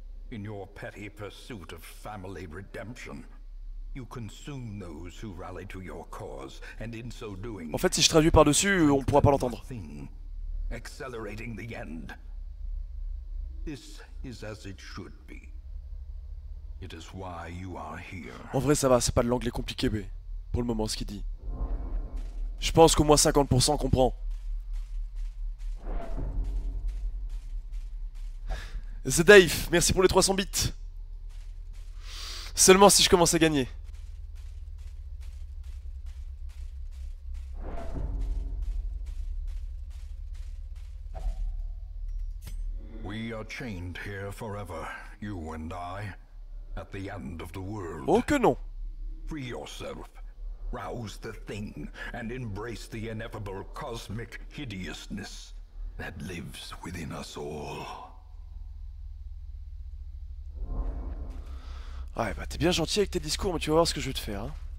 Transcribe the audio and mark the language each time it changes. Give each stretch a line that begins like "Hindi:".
English: In your petty pursuit of family redemption, you consume those who rally to your cause, and in so doing.
French: En fait, si je traduis par-dessus, on pourra pas l'entendre.
English: Accelerating the end. This is as it should be. It is why you are here.
French: En vrai, ça va, c'est pas de l'anglais compliqué, mais pour le moment, ce qu'il dit. Je pense qu'au moins 50% comprend. The Dave, merci pour les 300 bits. Seulement si je commence à gagner.
English: Chained here forever, you and I, at the end of the world.
French: Oh que non.
English: Free yourself, rouse the thing, and embrace the ineffable cosmic hideousness that lives within us all.
French: Ouais, bah t'es bien gentil avec tes discours, mais tu vas voir ce que je vais te faire. Hein.